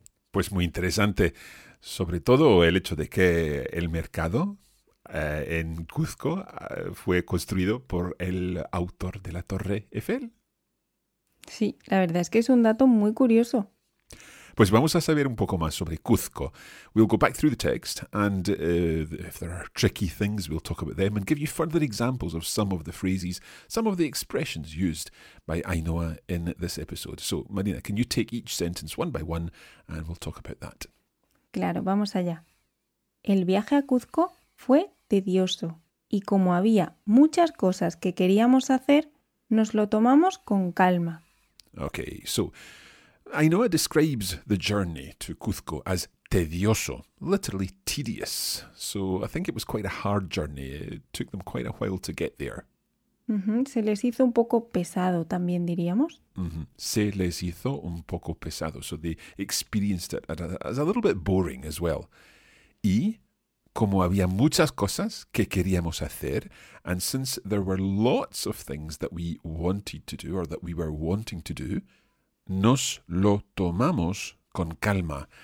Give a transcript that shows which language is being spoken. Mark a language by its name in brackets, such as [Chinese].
[Spanish] Pues muy interesante, sobre todo el hecho de que el mercado en Cuzco fue construido por el autor de la Torre Eiffel. Sí, la verdad es que es un dato muy curioso. Pues vamos a saber un poco más sobre Cuzco. [English] We'll go back through the text and if there are tricky things, we'll talk about them and give you further examples of some of the phrases, some of the expressions used by Ainhoa in this episode. So, Marina, can you take each sentence one by one and we'll talk about that. [Spanish] Claro, vamos allá. El viaje a Cuzco fue tedioso y como había muchas cosas que queríamos hacer, nos lo tomamos con calma. [English] Okay, so Ainhoa describes the journey to Cuzco as tedioso, literally tedious. So I think it was quite a hard journey. It took them quite a while to get there. Mm-hmm. [Spanish] Se les hizo un poco pesado también, diríamos. Mm-hmm. Se les hizo un poco pesado. [English] So they experienced it as a little bit boring as well. [Spanish] Y como había muchas cosas que queríamos hacer, [English] and since there were lots of things that we wanted to do or that we were wanting to do, [Spanish] nos lo tomamos con calma.